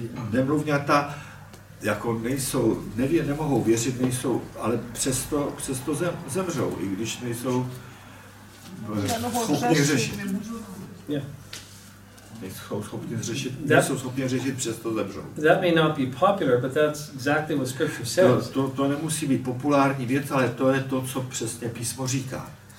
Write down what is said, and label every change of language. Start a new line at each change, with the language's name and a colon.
Czech: Nemluvňata jako nemohou věřit, nejsou, ale přesto zemřou, i když nejsou schopni řešit. Nejsou schopni řešit, přesto zemřou.
English: That may not be popular, but that's exactly what scripture says.
Czech: To nemusí být populární věc, ale to je to, co přesně písmo říká.